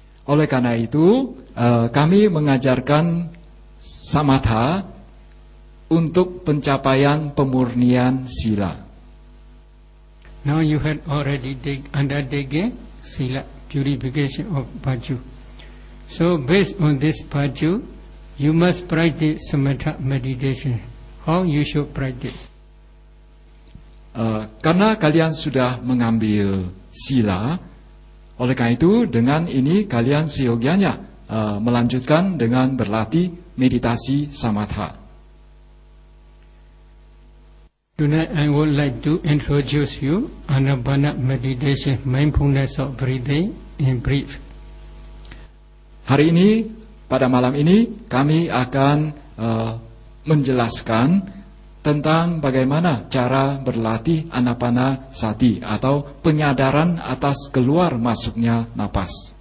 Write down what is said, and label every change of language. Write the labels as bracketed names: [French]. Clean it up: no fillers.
[Indonesian] Oleh karena itu kami mengajarkan samatha untuk pencapaian pemurnian sila. [English] Now you had already undertaken sila, purification of Bhaju. So based on this Bhaju, you must practice samatha meditation. How you should practice? [Indonesian] Karena kalian sudah mengambil sila, oleh karena itu dengan ini kalian seyogianya melanjutkan dengan berlatih meditasi samatha. [English] Tonight I would like to introduce you Anapana meditation, mindfulness of breathing in brief. [Indonesian] Hari ini, pada malam ini, kami akan menjelaskan tentang bagaimana cara berlatih Anapana Sati atau penyadaran atas keluar masuknya napas.